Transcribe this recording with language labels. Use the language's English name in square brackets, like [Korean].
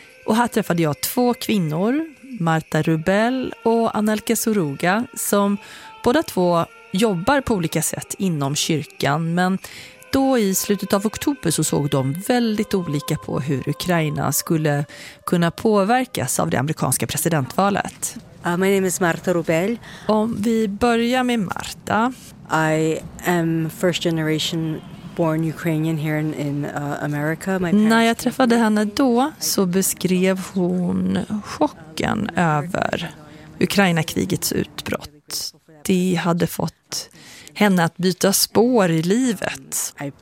[Swedish] Och här träffade jag två kvinnor, Marta Rubel och Anelka Soruga, som båda två jobbar på olika sätt inom kyrkan. Men då i slutet av oktober så såg de väldigt olika på hur Ukraina skulle kunna påverkas av det amerikanska presidentvalet. [English] My name is Marta Rubel. [Swedish] Om vi börjar med Marta. [English] I am first generation born Ukrainian here in America. My parents... [Swedish] När jag träffade henne då så beskrev hon chocken över Ukraina-krigets utbrott. Det hade fått henne att byta spår i livet.